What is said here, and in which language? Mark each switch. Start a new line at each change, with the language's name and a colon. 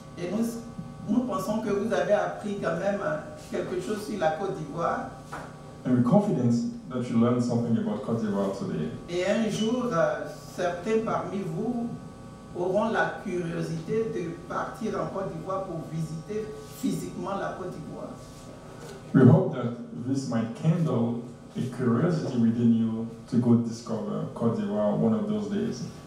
French: Et nous pensons que vous avez appris quand même quelque chose sur la Côte d'Ivoire.
English: And we're confident that you learned something about Côte d'Ivoire today.
French: Et un jour, certains parmi vous auront la curiosité de partir en Côte d'Ivoire pour visiter physiquement la Côte d'Ivoire.
English: We hope that this might kindle a curiosity within you to go discover Côte d'Ivoire one of those days?